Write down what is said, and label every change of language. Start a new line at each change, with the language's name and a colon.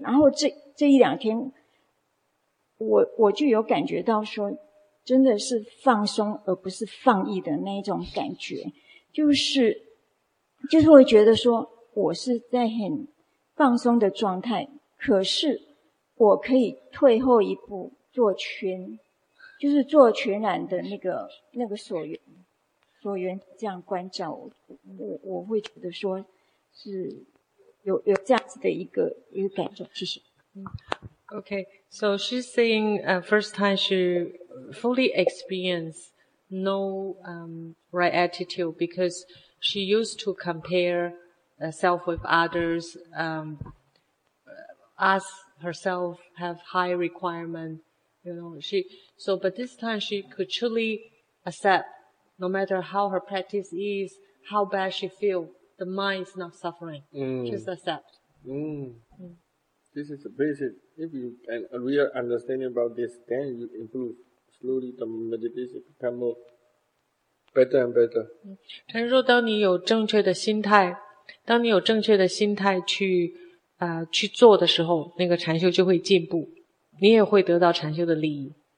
Chinese: 然后这一两天我就有感觉到说，真的是放松而不是放逸的那一种感觉，就是会觉得说，我是在很放松的状态，可是我可以退后一步做全，就是做全然的那个所缘这样关照。我会觉得说是有这样子的一个感受。谢谢。
English: Okay, so she's saying, first time she fully experienced no, right attitude, because she used to compare herself with others, ask herself have high requirement, but this time she could truly accept, no matter how her practice is, how bad she feel, the mind is not suffering. Just accept. This is the basic. If you can a real understanding about this, then you improve slowly. The meditation become more better and better.
Chinese: 陈说，当你有正确的心态，去去做的时候，那个禅修就会进步，你也会得到禅修的利益。